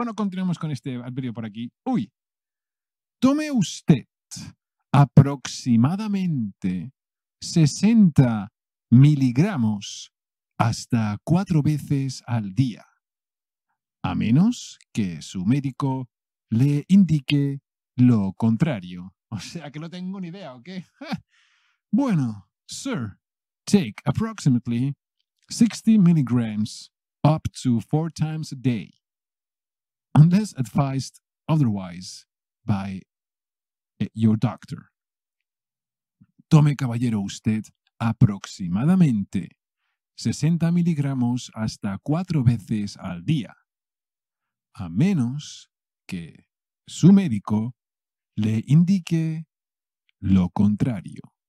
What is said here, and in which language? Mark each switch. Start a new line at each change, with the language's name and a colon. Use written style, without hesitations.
Spanish: Bueno, continuamos con este adverbio por aquí. Uy, tome usted aproximadamente 60 miligramos hasta 4 veces al día, a menos que su médico le indique lo contrario. O sea, que no tengo ni idea, ¿o qué?
English: Bueno, sir, take approximately 60 milligrams up to 4 times a day, unless advised otherwise by your doctor.
Spanish: Tome, caballero, usted aproximadamente 60 miligramos hasta 4 veces al día, a menos que su médico le indique lo contrario.